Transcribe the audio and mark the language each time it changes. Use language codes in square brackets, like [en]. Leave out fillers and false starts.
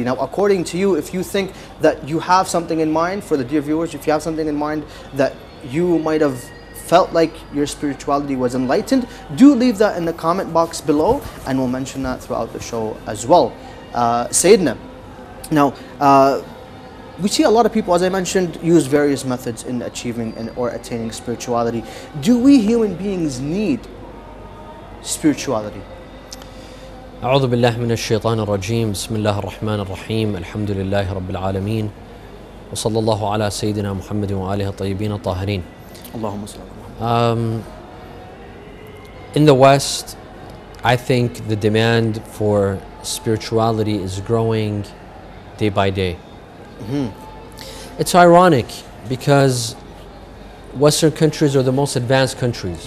[en] Now, according to you, if you think that you have something in mind for the dear viewers, if you have something in mind that you might have felt like your spirituality was enlightened, do leave that in the comment box below and we'll mention that throughout the show as well. Sayyidina, now, we see a lot of people, as I mentioned, use various methods in achieving and or attaining spirituality. Do we human beings need spirituality? [ar] أعوذ بالله من الشيطان الرجيم. بسم الله الرحمن الرحيم. الحمد لله رب العالمين. وصلى الله على سيدنا محمد وآله الطيبين الطاهرين. اللهم صل. [en] In the West, I think the demand for spirituality is growing day by day. It's ironic because Western countries are the most advanced countries.